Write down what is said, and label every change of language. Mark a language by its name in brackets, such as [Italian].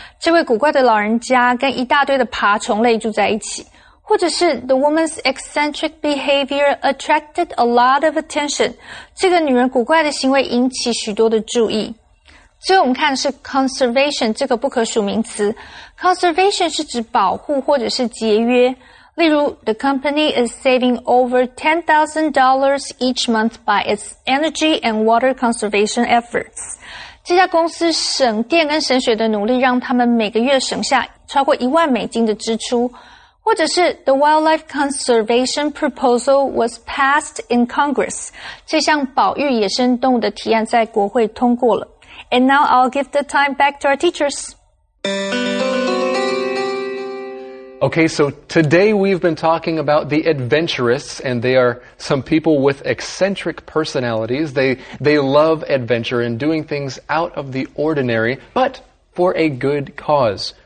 [Chinese] 这位古怪的老人家跟一大堆的爬虫类住在一起。或者是 [English] ,the woman's eccentric behavior attracted a lot of attention. [Chinese] 这个女人古怪的行为引起许多的注意。最后我们看的是 conservation, 这个不可数名词。Conservation 是指保护或者是节约。例如 [English] ,the company is saving over $10,000 each month by its energy and water conservation efforts. [Chinese] 这家公司省电跟省水的努力让他们每个月省下超过$10,000的支出。或者是 [English] ,the wildlife conservation proposal was passed in Congress. [Chinese] 这项保育野生动物的提案在国会通过了。 [English] And now I'll give the time back to our teachers. Okay, so today we've been talking about the adventurists, and they are some people with eccentric personalities. They love adventure and doing things out of the ordinary, but for a good cause.